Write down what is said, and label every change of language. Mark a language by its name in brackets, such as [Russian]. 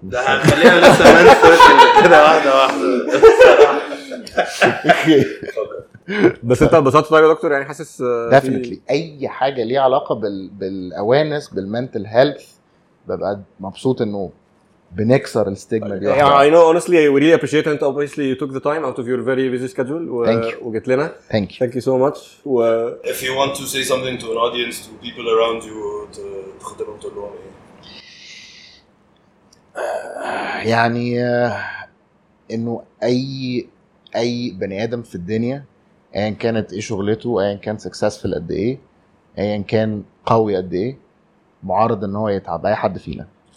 [Arabic] ده هنخليها لسه من السوشيال كده واحدة. بس أنت بسطت يا دكتور يعني حاسس. [English] Definitely. [Arabic] أي حاجة ليها علاقة بالأوانس بالمنتل هيلث ببقى مبسوط إنه بنكسر الستيجما دي. [English] I know honestly I really appreciate it. Obviously you took the time out of your very busy schedule [Arabic] وجيت لنا. [English] Thank you so much. If you want to say something to an audience, to people around you, [Arabic] تخدمهم تقول لهم ايه؟ يعني انه اي بني ادم في الدنيا ايا كانت ايه شغلته ايا كان سكسسفل قد ايه ايا كان قوي قد ايه معرض ان هو يتعب اي حد فينا.